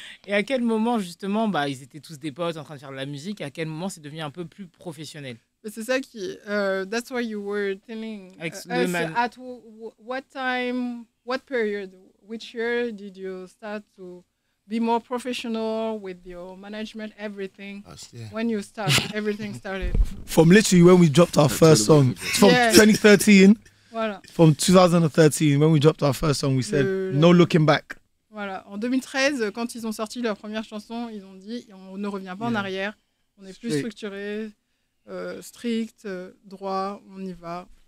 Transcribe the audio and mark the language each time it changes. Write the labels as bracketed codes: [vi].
[fr] Et à quel moment justement bah ils étaient tous des potes en train de faire de la musique, à quel moment c'est devenu un peu plus professionnel? C'est ça qui [en] that's why you were telling at what time, what period, which year did you start to be more professional with your management, everything? When you start, everything started from literally when we dropped our first song from 2013. From 2013, when we dropped our first song, we said no looking back. [fr] Voilà, en 2013, quand ils ont sorti leur première chanson, ils ont dit on ne revient pas en arrière, on est plus structuré, strict, droit, on y va.